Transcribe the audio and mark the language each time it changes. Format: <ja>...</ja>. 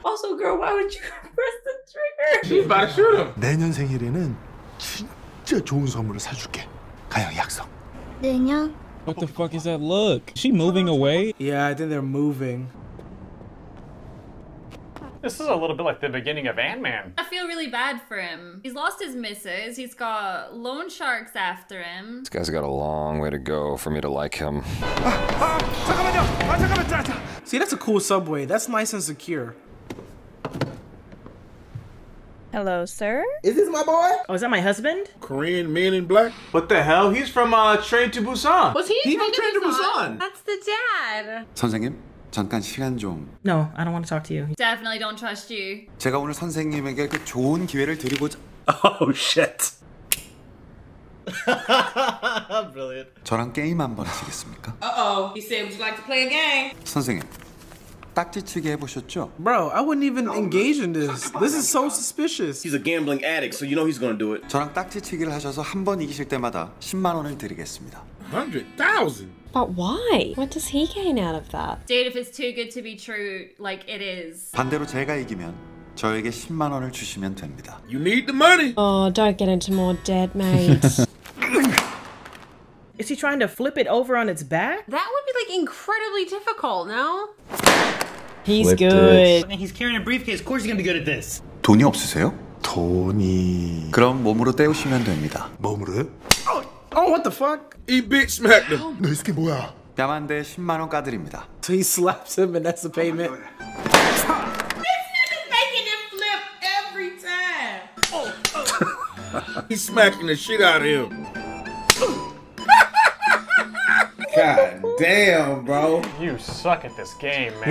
<en>Also, girl, why would you press the trigger? She's about to shoot him.</en> <ko>내년 생일에는 진짜 좋은 선물을 사줄게. 가영 약속. 내년.</ko> <en>What the fuck is that look? Is she moving away? Yeah, I think they're moving. This is a little bit like the beginning of Ant-Man. I feel really bad for him. He's lost his missus. He's got loan sharks after him. This guy's got a long way to go for me to like him. See, that's a cool subway. That's nice and secure. Hello, sir? Is this my boy? Oh, is that my husband? Korean man in black? What the hell? He's from Train to Busan. Was he in Train to Busan? That's the dad.</en> <ko>선생님, 잠깐 시간 좀.</ko> <en>No, I don't want to talk to you. Definitely don't trust you.</en> <ko>제가 오늘 선생님에게 그 좋은 기회를 드리고자...</ko> <en>Oh, shit. Brilliant.</en> <ko>저랑 게임 한번 하시겠습니까?</ko> <en>Uh-oh, he said, would you like to play a game?</en> <ko>선생님. 딱지치기 해보셨죠?</ko> <en>Bro, I wouldn't even engage in this. This is so suspicious. He's a gambling addict, so you know he's gonna do it.</en> <ko>저랑 딱지치기를 하셔서 한 번 이기실 때마다 10만 원을 드리겠습니다.</ko> <en>100,000? But why? What does he gain out of that? Dude, if it's too good to be true, like it is.</en> <ko>반대로 제가 이기면 저에게 10만 원을 주시면 됩니다.</ko> <en>You need the money! Oh, don't get into more debt, mate. Is he trying to flip it over on its back? That would be like incredibly difficult, no? He's flipped good. It. He's carrying a briefcase. Of course he's gonna be good at this.</en> <ko>돈이 없으세요? 돈이... 그럼 몸으로 때우시면 됩니다. 몸으로?</ko> <en>Oh, what the fuck? He bitch smacked him.</en> <ko>너 이 새끼 뭐야? 뺨한테 10만 원 까드립니다.</ko> <en>So he slaps him and that's the payment. This is making him flip every time. Oh. He's smacking the shit out of him. God damn, bro. You suck at this game, man.</en>